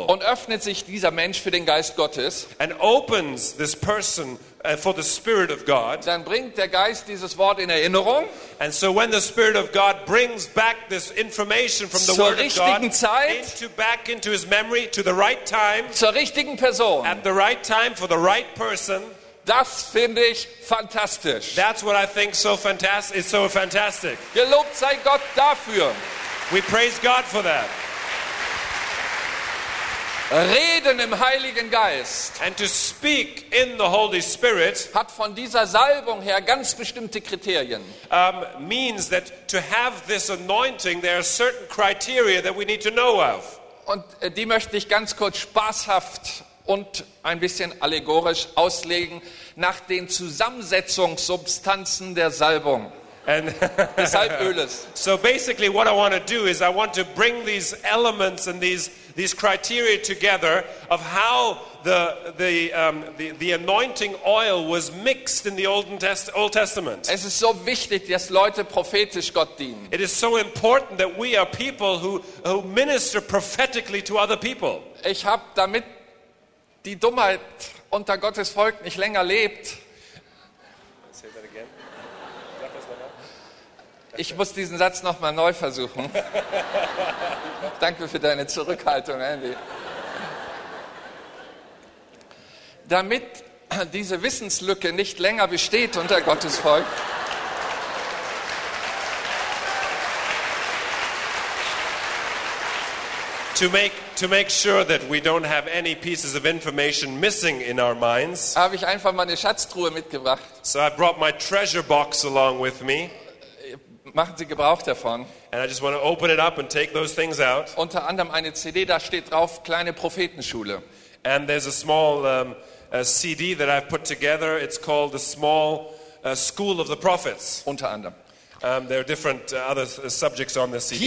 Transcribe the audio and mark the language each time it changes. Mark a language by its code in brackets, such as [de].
[de] Und öffnet sich dieser Mensch für den Geist Gottes, [en] and opens this person for the Spirit of God. [de] Dann bringt der Geist dieses Wort in Erinnerung. [en] And so when the Spirit of God brings back this information from the Word of God back into his memory to the right time, [de] zur richtigen Person, [en] at the right time for the right person, [de] das finde ich fantastisch. [en] That's what I think is so fantastic. [de] Gelobt sei Gott dafür. [en] We praise God for that. [de] Reden im Heiligen Geist. [en] And to speak in the Holy Spirit [de] hat von dieser Salbung her ganz bestimmte Kriterien. [en] Means that to have this anointing, there are certain criteria that we need to know of. [de] Und die möchte ich ganz kurz spaßhaft und ein bisschen allegorisch auslegen nach den Zusammensetzungssubstanzen der Salbung. [en] So basically what I want to do is I want to bring these elements and these criteria together of how the anointing oil was mixed in the Old Testament. [de] Es ist so wichtig, dass Leute prophetisch Gott dienen. [en] It is so important that we are people who minister prophetically to other people. [de] Ich habe damit die Dummheit unter Gottes Volk nicht länger lebt. Ich muss diesen Satz noch mal neu versuchen. Danke für deine Zurückhaltung, Andy. Damit diese Wissenslücke nicht länger besteht unter Gottes Volk, [en] to make sure that we don't have any pieces of information missing in our minds, [de] habe ich einfach meine Schatztruhe mitgebracht. [en] So I brought my treasure box along with me. [de] Machen Sie Gebrauch davon. [en] And I just want to open it up and take those things out. [de] Unter anderem eine CD, da steht drauf, kleine Prophetenschule. [en] And there's a small CD that I've put together. It's called the Small School of the Prophets. [de] Unter anderem. [en] There are different other subjects on the CD.